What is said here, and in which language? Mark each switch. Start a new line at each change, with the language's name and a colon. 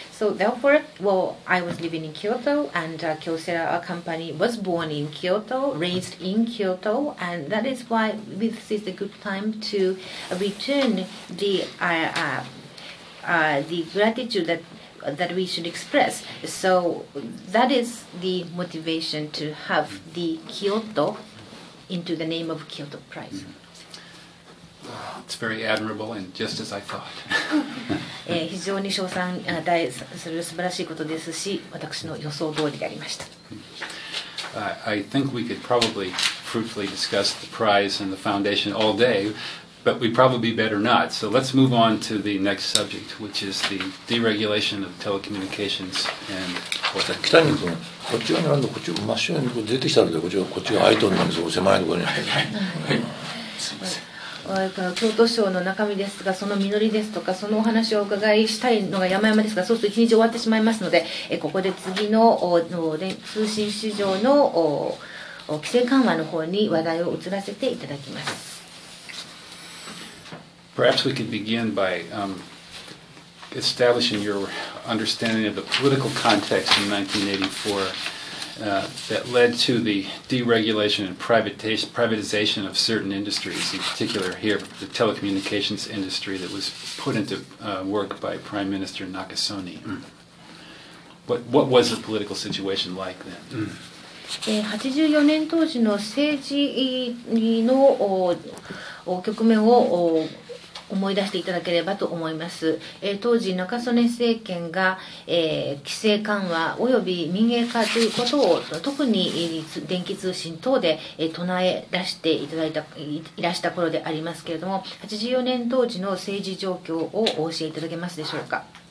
English: So therefore, well, I was living in Kyoto, and Kyocera, our company, was born in Kyoto, raised in Kyoto, and that is why this is a good time to return the gratitude that we should express. So that is the motivation to have the Kyoto into the name of Kyoto Prize. Mm-hmm. It's very admirable and just as I thought.
Japanese: 非常に称賛大する素晴らしいことですし、私の予想通りでありました。
English: I think we could probably fruitfully discuss the prize and the foundation all day. But we probably better not. So let's move on to the next subject, which is the deregulation of telecommunications and.
Japanese: 北に行くの。こっち側に行くの。こっち、真っ白いところ出てきたので、こっちが空いとるんですよ。狭いところに。はい。すみません。京都省の中身ですが、その実りですとか、そのお話をお伺いしたいのが山々ですが、そうすると一日終わってしまいますので、ここで次の通信市場の規制緩和の方に話題を移らせていただきます。
English: Perhaps we could begin by establishing your understanding of the political context in 1984 that led to the deregulation and privatization of certain industries, in particular here, the telecommunications industry that was put into work by Prime Minister Nakasone. Mm. What was the political situation like then? Mm.
Japanese: 84年当時の政治の局面を思い出していただければと思います。当時中曽根政権が規制緩和および民営化ということを特に電気通信等で唱え出していただいたいらした頃でありますけれども、84年当時の政治状況をお教えいただけますでしょうか。